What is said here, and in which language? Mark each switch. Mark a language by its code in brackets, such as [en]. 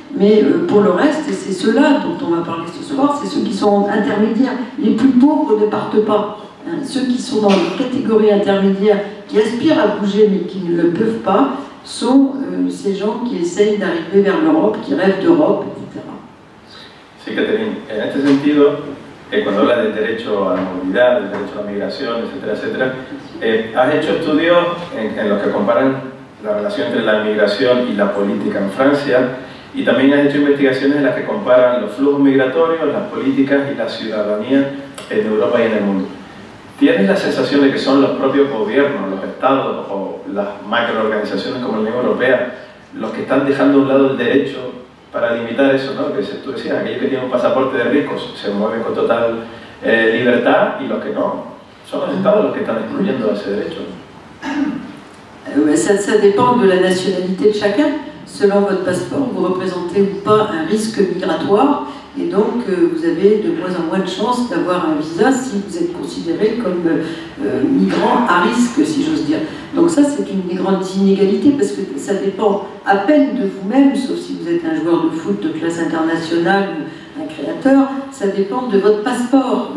[fr] Mais pour le reste, c'est ceux-là dont on va parler ce soir, c'est ceux qui sont intermédiaires. Les plus pauvres ne partent pas. Hein, ceux qui sont dans les catégories intermédiaires, qui aspirent à bouger mais qui ne le peuvent pas, sont ces gens qui essayent d'arriver vers l'Europe, qui rêvent d'Europe, etc. [es] Sí, Catherine. En este sentido, cuando hablas del derecho a la movilidad, del derecho a la migración, etcétera, etcétera, has hecho estudios en los que comparan la relación entre la migración y la política en Francia. Y también has hecho investigaciones en las que comparan los flujos migratorios, las políticas y la ciudadanía en Europa y en el mundo. ¿Tienes la sensación de que son los propios gobiernos, los estados o las macroorganizaciones como la Unión Europea los que están dejando a un lado el derecho para limitar eso, ¿no? Que tú decías, aquellos que tienen un pasaporte de ricos se mueven con total libertad y los que no. Son los estados los que están excluyendo ese derecho. [fr] Ça dépend de la nationalité de chacun. Selon votre passeport, vous représentez ou pas un risque migratoire et donc vous avez de moins en moins de chances d'avoir un visa si vous êtes considéré comme migrant à risque, si j'ose dire. Donc ça, c'est une des grandes inégalités parce que ça dépend à peine de vous-même, sauf si vous êtes un joueur de foot de classe internationale ou un créateur, ça dépend de votre passeport.